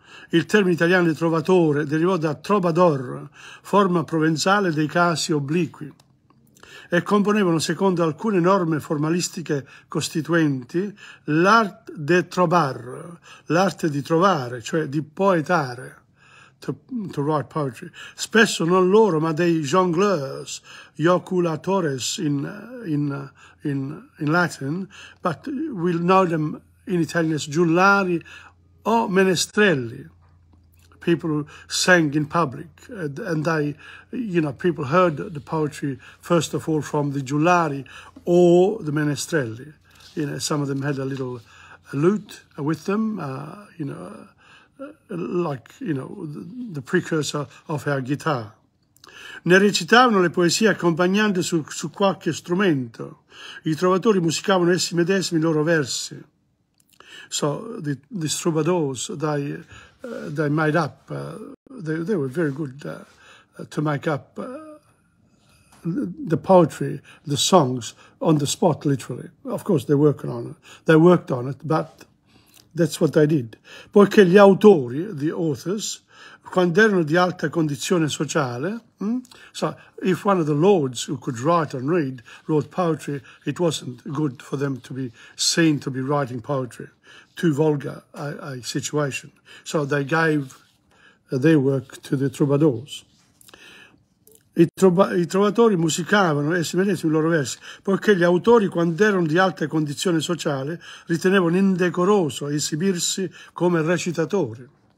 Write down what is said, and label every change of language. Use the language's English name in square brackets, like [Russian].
[Italian] Il termine italiano di trovatore derivò da trobador, forma provenzale dei casi obliqui, e componevano, secondo alcune norme formalistiche costituenti, l'art de trobar, l'arte di trovare, cioè di poetare, [English] to write poetry. [Italian] Spesso non loro, ma dei [English] jongleurs, yoculatores in Latin, but we'll know them in Italian as giullari o menestrelli, people who sang in public, and they, people heard the poetry first of all from the giullari or the menestrelli. Some of them had a little lute with them, the precursor of our guitar. [Italian] Ne recitavano le poesie accompagnando su qualche strumento. I trovatori musicavano essi medesimi i loro versi. [English] So the troubadours, they made up, they were very good to make up the poetry, the songs, on the spot, literally. Of course, they worked on it, but that's what they did. [Italian] Poiché gli autori, [English] the authors, [Italian] quando erano di alta condizione sociale. [English] So if one of the lords who could write and read wrote poetry, it wasn't good for them to be seen to be writing poetry. Too vulgar a situation. So they gave their work to the troubadours. [Italian] I trovatori musicavano essi medesimi i loro versi, poiché gli autori, quando erano di alta condizione sociale, ritenevano indecoroso esibirsi come recitatori.